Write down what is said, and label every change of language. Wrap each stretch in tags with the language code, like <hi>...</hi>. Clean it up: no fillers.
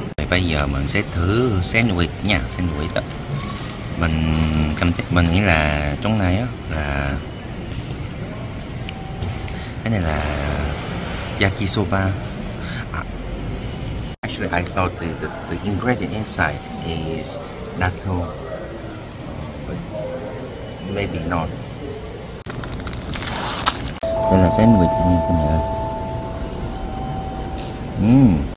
<vi>Bây giờ mình sẽ thử sandwich nha, sandwich đó. Mình cảm thấy mình nghĩ là trong này á là cái này là yakisoba.</vi> <en>Actually, I thought the ingredient inside is natto, but maybe not.</en> <vi>Đây là sandwich nha các bạn.</vi>